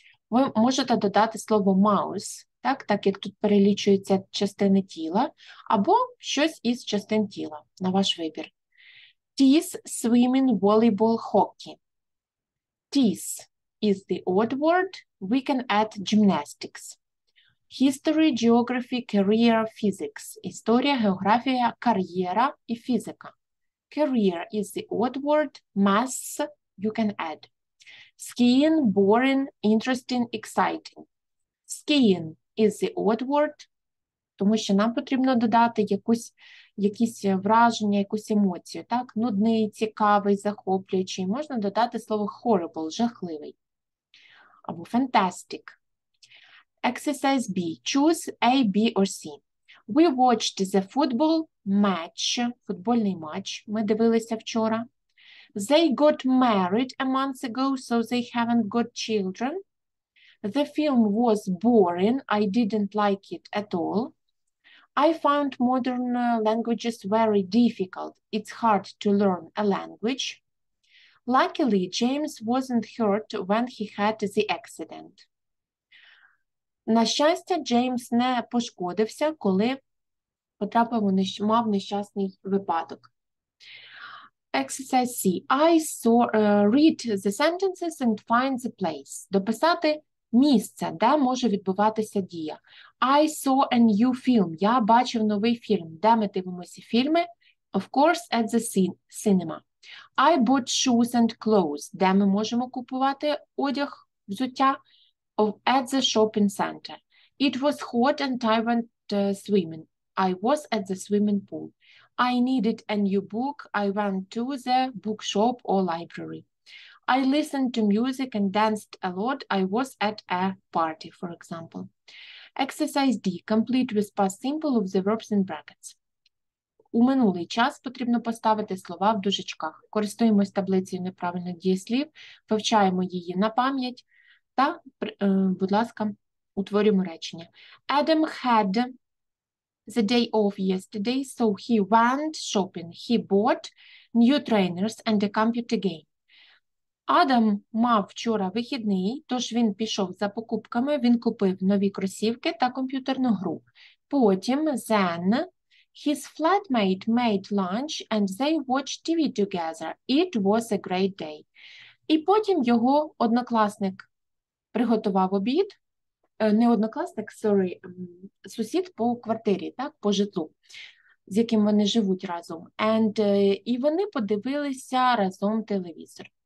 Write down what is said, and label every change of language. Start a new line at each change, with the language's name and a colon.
Ukrainian: Ви можете додати слово mouse, так як тут перелічується частини тіла, або щось із частин тіла, на ваш вибір.
English: Tease, swimming, volleyball, hockey. Tease is the odd word. We can add gymnastics. History, geography, career, physics.
Ukrainian: Історія, географія, кар'єра і фізика.
English: Career is the odd word, maths you can add. Skiing, boring, interesting, exciting. Skiing is the odd word,
Ukrainian: тому що нам потрібно додати якісь враження, якусь емоцію, так? Нудний, цікавий, захоплюючий. Можна додати слово horrible, жахливий. Або fantastic.
English: Exercise B. Choose A, B or C. We watched the football match,
Ukrainian: футбольний матч, ми дивилися вчора.
English: They got married a month ago, so they haven't got children. The film was boring, I didn't like it at all. I found modern languages very difficult, it's hard to learn a language. Luckily, James wasn't hurt when he had the accident.
Ukrainian: На щастя, Джеймс не пошкодився, коли мав нещасний випадок.
English: Exercise C. I saw, read the sentences and find the place.
Ukrainian: Дописати місце, де може відбуватися дія.
English: I saw a new film.
Ukrainian: Я бачив новий фільм. Де ми дивимося фільми?
English: Of course, at the cinema. I bought shoes and clothes.
Ukrainian: Де ми можемо купувати одяг, взуття?
English: At the shopping center. It was hot and I went swimming. I was at the swimming pool. I needed a new book. I went to the bookshop or library. I listened to music and danced a lot. I was at a party, for example. Exercise D. Complete with past simple of the verbs in brackets.
Ukrainian: У минулий час потрібно поставити слова в дужечках. Користуємось таблицею неправильних дієслів, вивчаємо її на пам'ять. Та, будь ласка, утворюємо речення.
English: Adam had the day off yesterday, so he went shopping. He bought new trainers and a computer game.
Ukrainian: Адам мав вчора вихідний, тож він пішов за покупками. Він купив нові кросівки та комп'ютерну гру. Потім,
English: then, his flatmate made lunch and they watched TV together. It was a great day.
Ukrainian: І потім його однокласник приготував обід, не однокласник, сусід по квартирі, так, по житлу, з яким вони живуть разом. And, і вони подивилися разом телевізор.